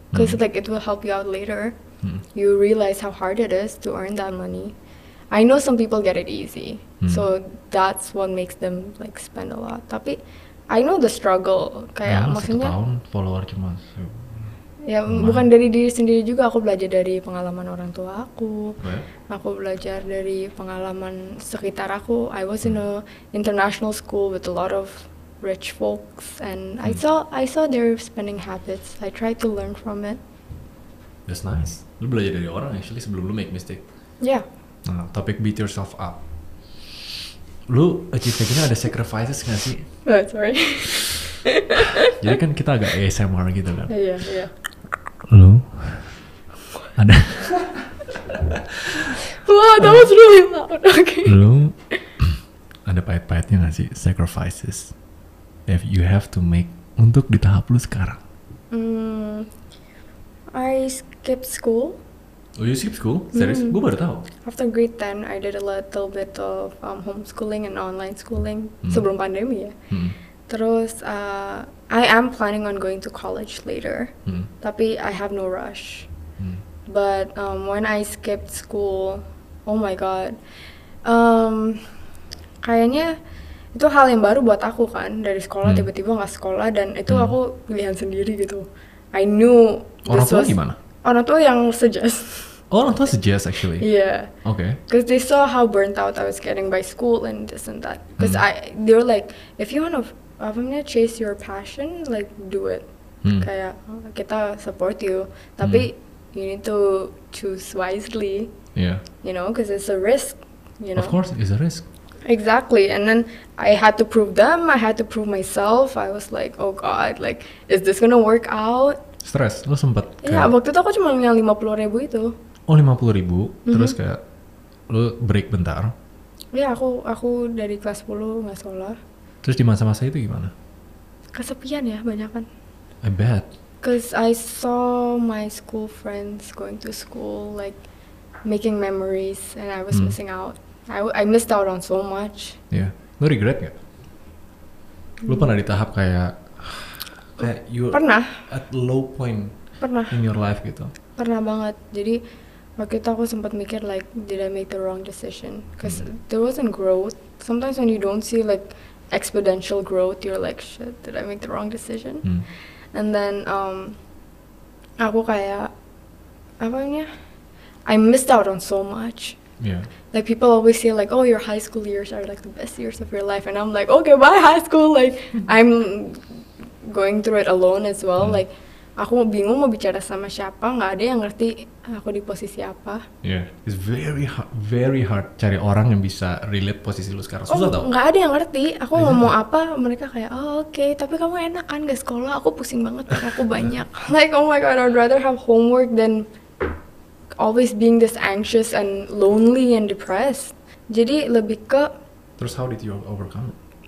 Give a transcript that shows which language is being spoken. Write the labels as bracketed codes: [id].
[en] Cuz like it will help you out later. You realize how hard it is to earn that money. I know some people get it easy. So that's what makes them like spend a lot. [id] Tapi [en] I know the struggle [id] kayak maksudnya 1 tahun follower cuma. Ya bukan dari diri sendiri juga, aku belajar dari pengalaman orang tua aku. Aku belajar dari pengalaman sekitar aku. [en] I was in a international school with a lot of rich folks and I saw their spending habits. I tried to learn from it. That's nice. [id] Lu belajar dari orang actually sebelum lu [en] make mistake. Yeah. [id] Nah, topik [en] beat yourself up. [id] Lu achievement-nya ada sacrifices enggak sih? [en] Sorry. [id] Jadi kan kita agak ASMR gitu kan. Iya, yeah, iya. Yeah. Lu ada [en] wah, that was really loud. Okay. [id] Lu ada pahit-pahitnya gak sih sacrifices [en] if you have to make [id] untuk di tahap lu sekarang? [en] I skip school. Oh, you skip school? [id] Serius? Gua baru tahu. [en] After grade 10, I did a little bit of homeschooling and online schooling [id] sebelum pandemi ya. Terus [en] I am planning on going to college later, [id] tapi [en] I have no rush. But when I skipped school, oh my god, [id] kayaknya itu hal yang baru buat aku kan, dari sekolah tiba-tiba nggak sekolah dan itu aku pilihan sendiri gitu. [en] I knew [id] orang tua gimana? Orang tua yang suggest. Orang tua suggest actually. [en] Yeah. Okay. Because they saw how burnt out I was getting by school and this and that. Because they were like, if you want to I'm gonna chase your passion, like do it. [id] Kayak kita [en] support you, [id] tapi [en] you need to choose wisely. Yeah. You know, because it's a risk. You know. Of course, it's a risk. Exactly, and then I had to prove them. I had to prove myself. I was like, oh god, like is this gonna work out? [id] Stress, lo sempet. Iya, yeah, waktu itu aku cuma punya 50.000 itu. Oh 50.000, terus kayak lo break bentar. Iya, yeah, aku dari kelas 10 nggak sekolah. Terus di masa-masa itu gimana? Kesepian ya, banyak kan. [en] I bet. Cause I saw my school friends going to school, like making memories, and I was missing out. I missed out on so much. [id] Yeah. Lu regret gak? Lu pernah di tahap kayak pernah [en] at low point [id] pernah [en] in your life [id] gitu? Pernah banget. Jadi waktu itu aku sempat mikir [en] like did I make the wrong decision? Cause there wasn't growth. Sometimes when you don't see like exponential growth, you're like shit, did I make the wrong decision? [id] And then aku kayak apa namanya? [en] I missed out on so much. Yeah. Like people always say like, oh, your high school years are like the best years of your life, and I'm like, okay, my high school, like I'm going through it alone as well. [id] Like aku bingung mau bicara sama siapa, nggak ada yang ngerti aku di posisi apa. [en] Yeah, it's very very hard [id] cari orang yang bisa relate posisi lu sekarang. Susah tau? Nggak ada yang ngerti. Aku ngomong apa, mereka kayak, oh oke, okay. Tapi kamu enak kan gak sekolah? Aku pusing banget, aku banyak. [en] Like oh my god, I'd rather have homework than always being this anxious and lonely and depressed. [id] Jadi lebih ke. Terus [en] how did you overcome it?